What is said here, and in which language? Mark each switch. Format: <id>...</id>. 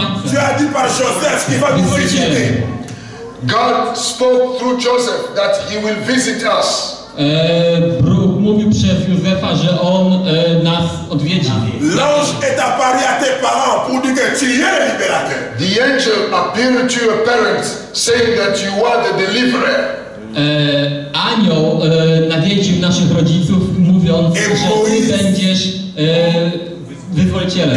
<fr>Dieu a dit par Joseph qu'il va nous visiter.</fr> <en>God spoke through Joseph that he will visit us.</en> <pl>Bóg mówił przez Józefa, że on nas odwiedzi.</pl> <fr>L'ange est apparu à tes parents pour dire que tu es le libérateur.</fr> <en>The angel appeared to your parents saying that you are the deliverer.</en> <pl>Anioł nawiedził naszych rodziców mówiąc, że ty będziesz wyzwolicielem.</pl>